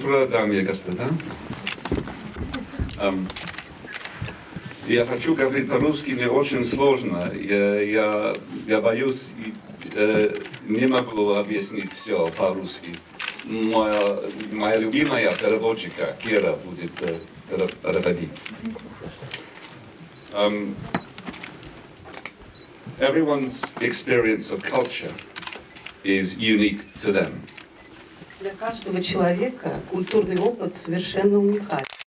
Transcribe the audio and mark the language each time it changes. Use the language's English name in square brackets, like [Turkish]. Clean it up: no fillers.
[Russian] Дамы и господа, я хочу говорить по-русски, мне очень сложно, я боюсь, не могу объяснить все по-русски. Моя любимая переводчика Кира будет переводить. [English] Everyone's experience of culture is unique to them. [Russian] Для каждого человека культурный опыт совершенно уникален.